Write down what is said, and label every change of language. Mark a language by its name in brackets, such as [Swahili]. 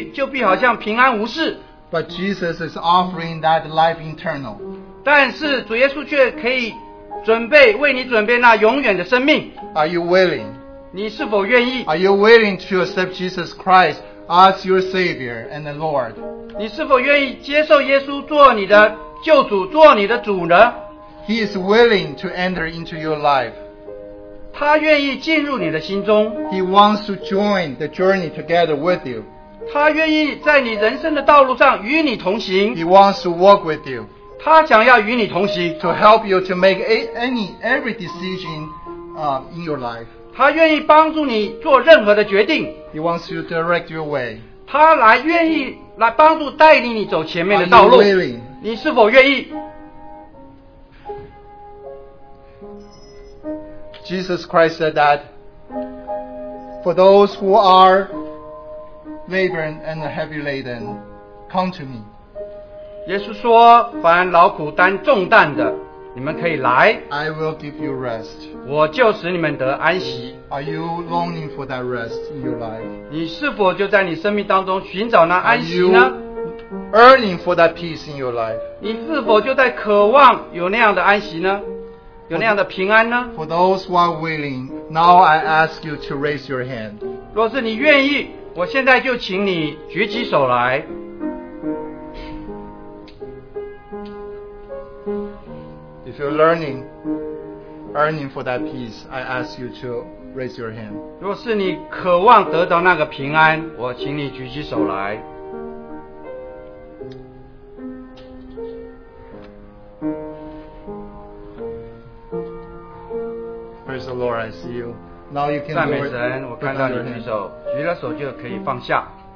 [Chinese] 我们没有办法保证你这一生就必好像平安无事。 [English] But Jesus is offering that life eternal. [Chinese] 但是主耶稣却可以准备为你准备那永远的生命。 [English] Are you willing? [Chinese] 你是否愿意? [English] Are you willing to accept Jesus Christ as your Savior and the Lord? [Chinese] 你是否愿意接受耶稣做你的救主，做你的主呢? [English] He is willing to enter into your life. [Chinese] 他愿意进入你的心中。 [English] He wants to join the journey together with you. [Chinese] 他愿意在你人生的道路上与你同行。 [English] He wants to walk with you. [Chinese] 他想要与你同行。 [English] To help you to make every decision in your life. [Chinese] 他愿意帮助你做任何的决定。 [English] He wants to direct your way. [Chinese] 他愿意来帮助带领你走前面的道路。 [English] Are you willing? [Chinese] 你是否愿意? [English] Jesus Christ said that for those who are laboring and heavy laden, come to me. [Chinese] 耶稣说，凡劳苦担重担的。你们可以来, [English] I will give you rest. [Chinese] 我就使你们得安息。 [English] Are you longing for that rest in your life? [Chinese] 你是否就在你生命当中寻找那安息呢? [English] Are you earning for that peace in your life? [Chinese] 你是否就在渴望有那样的安息呢? 有那样的平安呢? [English] For those who are willing, now I ask you to raise your hand. [Chinese] 若是你愿意, 我现在就请你举起手来。 [English] If you're earning for that peace, I ask you to raise your hand. [Chinese] 若是你渴望得到那个平安, 我请你举起手来。 [English] Praise the Lord, I see you. Now you can [Chinese] 赞美神, 我看到你举手, 举了手就可以放下。